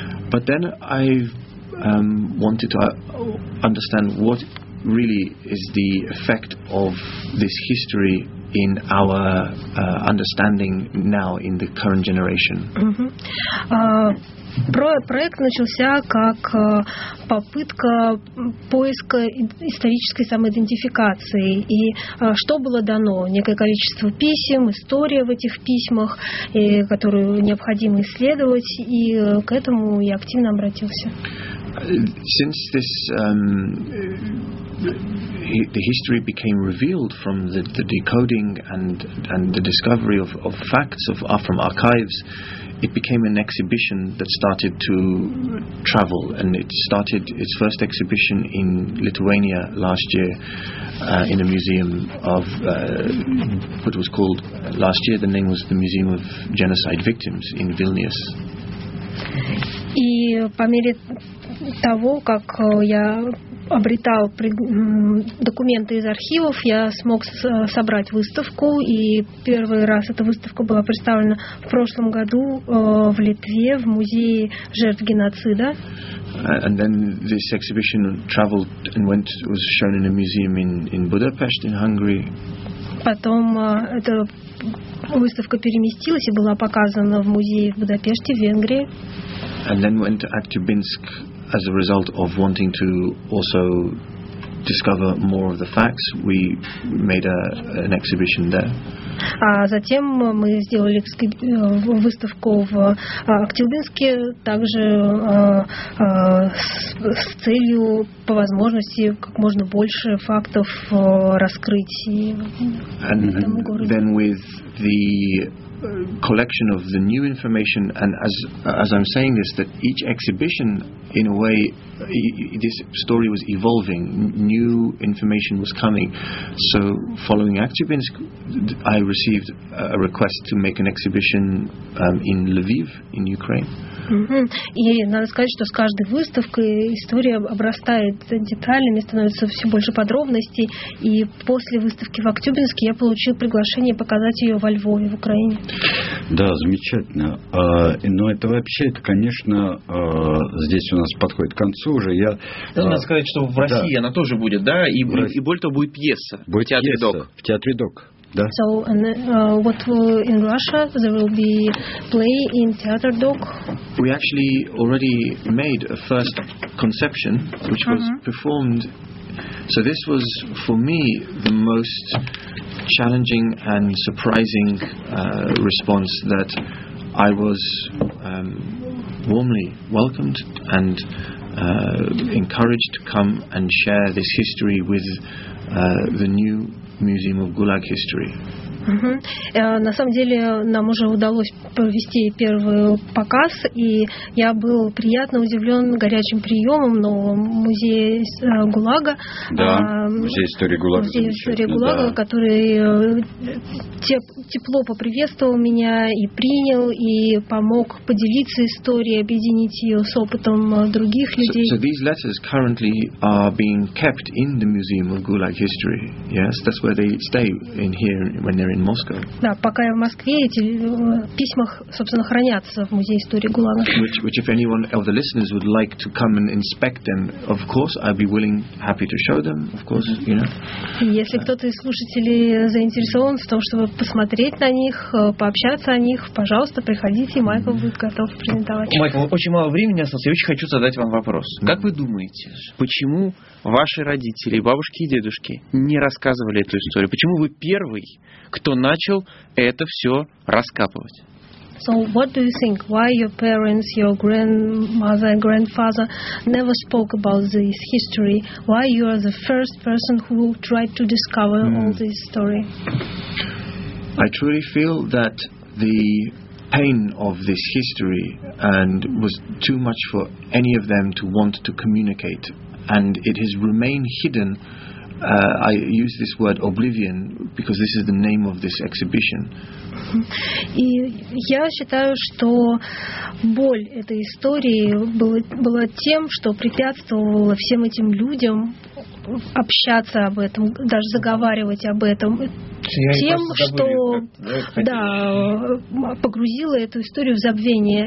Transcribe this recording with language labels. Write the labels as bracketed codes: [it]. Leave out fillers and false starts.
[en] But then I wanted to understand what really is the effect of this history in our understanding now in the current generation. [ru] Проект начался как попытка поиска исторической самоидентификации. И что было дано? Некое количество писем, история в этих письмах, которую необходимо исследовать. И к этому я активно обратился. [en] Since this, the history became revealed from the decoding and the discovery of facts from archives, it became an exhibition that started to travel, and it started its first exhibition in Lithuania last year in a museum of what was called last year, the name was the Museum of Genocide Victims in Vilnius. [ru] И по мере того, как я обретал документы из архивов, я смог собрать выставку, и первый раз эта выставка была представлена в прошлом году в Литве в музее жертв геноцида. [en] And then this exhibition traveled and went was shown in a museum in Budapest in Hungary. [ru] Потом эта выставка переместилась и была показана в музее в Будапеште в Венгрии. [en] And then went to Aktubinsk as a result of wanting to also discover more of the facts. We made an exhibition there. [ru] А затем мы сделали выставку в Актюбинске, также с целью по возможности как можно больше фактов раскрыть в этом городе. [en] And then with the collection of the new information, and as I'm saying this, that each exhibition, in a way, this story was evolving. New information was coming. So, following Aktubinsk, I received a request to make an exhibition in Lviv, in Ukraine. [ru] И надо сказать, что с каждой выставкой история обрастает деталями, становится все больше подробностей. И после выставки в Актюбинске я получил приглашение показать ее во Львове, в Украине. Да, замечательно. Но это вообще, это, конечно, здесь у нас подходит к концу уже. Я, надо сказать, что в России да. Она тоже будет, да? И более того, будет пьеса. Будет пьеса. Док. В театре ДОК. Да. [en] So, and what in Russia there will be play in Theater Dog? We actually already made a first conception, which was performed. So this was for me the most challenging and surprising response that I was warmly welcomed and encouraged to come and share this history with the new. Museum of Gulag History. [ru] На самом деле нам уже удалось провести первый показ, и я был приятно удивлен горячим приемом нового музея ГУЛАГа. Да, музей истории ГУЛАГа. Музей истории ГУЛАГа, да. Который тепло поприветствовал меня и принял, и помог поделиться историей, объединить ее с опытом других людей. [en] So these letters currently are being kept in the Museum of Gulag History. Yes, that's where they stay in here when they're in Moscow. [ru] Да, пока я в Москве, эти письма, собственно, хранятся в музее истории ГУЛАГа. [en] Which, if anyone of the listeners would like to come and inspect them, of course, I'd be willing, happy to show them, of course, you know. [ru] Если кто-то из слушателей заинтересован в том, чтобы посмотреть на них, пообщаться о них, пожалуйста, приходите, Майкл будет готов презентовать. Майкл, очень мало времени осталось, я очень хочу задать вам вопрос. Как вы думаете, почему ваши родители, бабушки и дедушки не рассказывали эту историю? Почему вы первый, кто начал это все раскапывать? [en] So what do you think? Why your parents, your grandmother, grandfather never spoke about this history? Why you are the first person who tried to discover all this story? I truly feel that the pain of this history and was too much for any of them to want to communicate, and it has remained hidden. I use this word oblivion because this is the name of this exhibition. [ru] И я считаю, что боль этой истории была тем, что препятствовало всем этим людям общаться об этом, даже заговаривать об этом, тем, что да, погрузило эту историю в забвение.